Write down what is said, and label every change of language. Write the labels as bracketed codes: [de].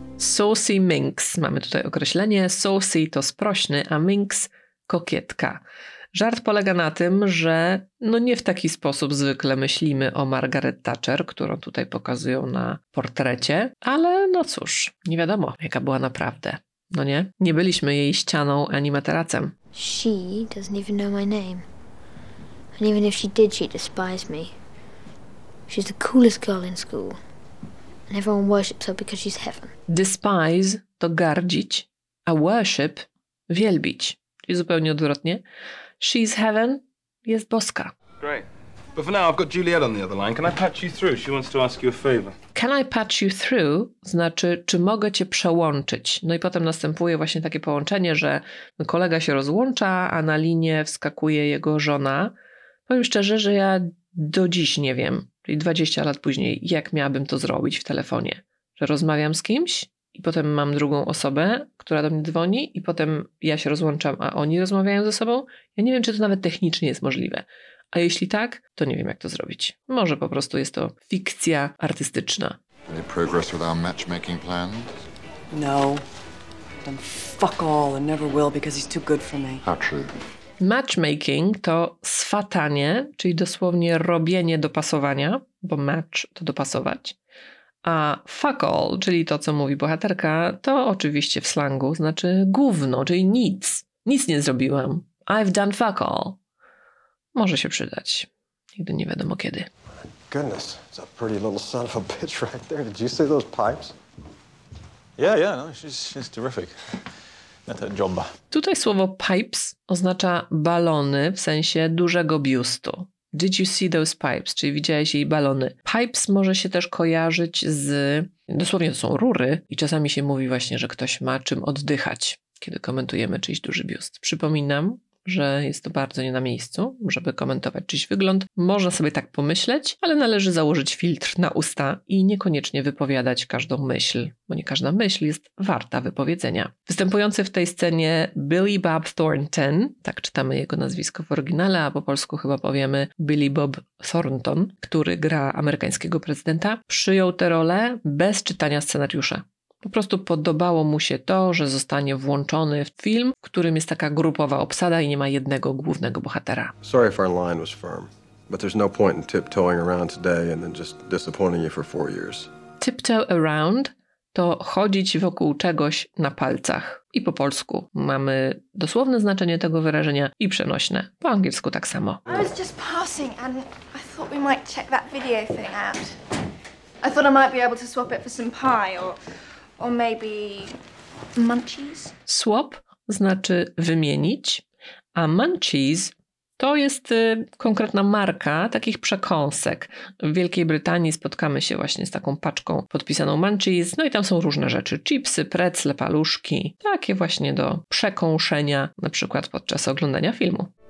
[pl] Saucy minx, mamy tutaj określenie. Saucy to sprośny, a minx kokietka. Żart polega na tym, że no nie w taki sposób zwykle myślimy o Margaret Thatcher, którą tutaj pokazują na portrecie, ale no cóż, nie wiadomo, jaka była naprawdę. No nie? Nie byliśmy jej ścianą ani materacem. [en] She doesn't even know my name. And even if she did, she despises me. She's the coolest girl in school. And everyone worships her because she's heaven. [pl] Despise to gardzić, a worship wielbić. Czyli zupełnie odwrotnie. [en] She's heaven, [pl] jest boska. [en] Great. But for now I've got Juliet on the other line. Can I patch you through? She wants to ask you a favor. Can I patch you through? [pl] Znaczy, czy mogę cię przełączyć? No i potem następuje właśnie takie połączenie, że kolega się rozłącza, a na linię wskakuje jego żona. Powiem szczerze, że ja do dziś nie wiem. Czyli 20 lat później, jak miałabym to zrobić w telefonie? Że rozmawiam z kimś i potem mam drugą osobę, która do mnie dzwoni i potem ja się rozłączam, a oni rozmawiają ze sobą? Ja nie wiem, czy to nawet technicznie jest możliwe. A jeśli tak, to nie wiem, jak to zrobić. Może po prostu jest to fikcja artystyczna. [en] Any progress with our matchmaking plans? No. done fuck all and never will because he's too good for me. How true. [pl] Matchmaking to swatanie, czyli dosłownie robienie dopasowania, bo match to dopasować. A fuck all, czyli to, co mówi bohaterka, to oczywiście w slangu znaczy gówno, czyli nic. Nic nie zrobiłam. [en] I've done fuck all. [pl] Może się przydać. Nigdy nie wiadomo kiedy. [en] Goodness, it's a pretty little son of a bitch right there. Did you see those pipes? Yeah, yeah, no, she's terrific. Not that jumba. [pl] Tutaj słowo pipes oznacza balony w sensie dużego biustu. [en] Did you see those pipes? [pl] Czyli widziałeś jej balony. Pipes może się też kojarzyć z... Dosłownie to są rury i czasami się mówi właśnie, że ktoś ma czym oddychać, kiedy komentujemy czyjś duży biust. Przypominam, że jest to bardzo nie na miejscu, żeby komentować czyjś wygląd. Można sobie tak pomyśleć, ale należy założyć filtr na usta i niekoniecznie wypowiadać każdą myśl, bo nie każda myśl jest warta wypowiedzenia. Występujący w tej scenie Billy Bob Thornton, tak czytamy jego nazwisko w oryginale, a po polsku chyba powiemy Billy Bob Thornton, który gra amerykańskiego prezydenta, przyjął tę rolę bez czytania scenariusza. Po prostu podobało mu się to, że zostanie włączony w film, w którym jest taka grupowa obsada i nie ma jednego głównego bohatera. [en] Sorry if our line was firm, but there's no point in tiptoeing around today and then just disappointing you for four years. [pl] Tiptoe around to chodzić wokół czegoś na palcach. I po polsku mamy dosłowne znaczenie tego wyrażenia i przenośne. Po angielsku tak samo. [en] I was just passing and I thought we might check that video thing out. I thought I might be able to swap it for some pie or... Or maybe munchies? [pl] Swap znaczy wymienić, a munchies to jest konkretna marka takich przekąsek. W Wielkiej Brytanii spotkamy się właśnie z taką paczką podpisaną munchies, no i tam są różne rzeczy, chipsy, pretzle, paluszki, takie właśnie do przekąszenia, na przykład podczas oglądania filmu.